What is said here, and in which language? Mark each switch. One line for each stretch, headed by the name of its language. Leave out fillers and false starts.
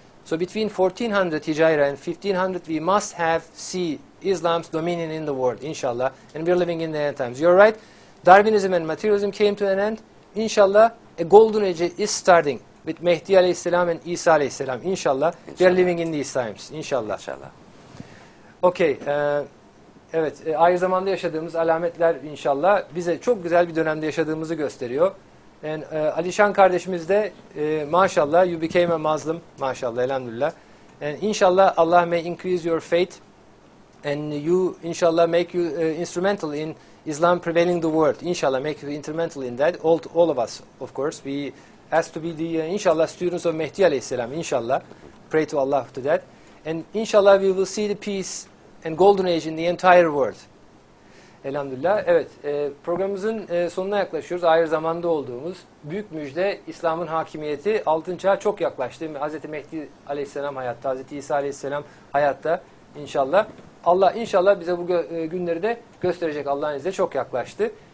English: So between 1400 Hijrah and 1500, we must have see Islam's dominion in the world, inshallah. And we're living in the end times. You're right. Darwinism and materialism came to an end. Inshallah, a golden age is starting with Mehdi alayhi salam and Isa alayhi salam. Inshallah, we are living in these times. Inshallah.
Turkish: İnşallah.
English: Okay.
Turkish: Evet, ayrı zamanda yaşadığımız alametler inşallah bize çok güzel bir dönemde yaşadığımızı gösteriyor.
English: And,
Turkish: Alişan kardeşimiz de maşallah,
English: you became a Muslim, maşallah, elhamdülillah. And inşallah Allah may increase your faith and you inşallah make you instrumental in Islam prevailing the world. Inşallah make you instrumental in that. All of us, of course, we ask to be the inşallah students of Mehdi aleyhisselam, inşallah. Pray to Allah to that. And inşallah we will see the peace and golden age in the entire world.
Turkish: Elhamdülillah. Evet, programımızın sonuna yaklaşıyoruz. Ayrı zamanda olduğumuz büyük müjde, İslam'ın hakimiyeti. Altın çağ çok yaklaştı. Hazreti Mehdi aleyhisselam hayatta, Hazreti İsa aleyhisselam hayatta inşallah. Allah inşallah bize bu günleri de gösterecek Allah'ın izniyle. Çok yaklaştı.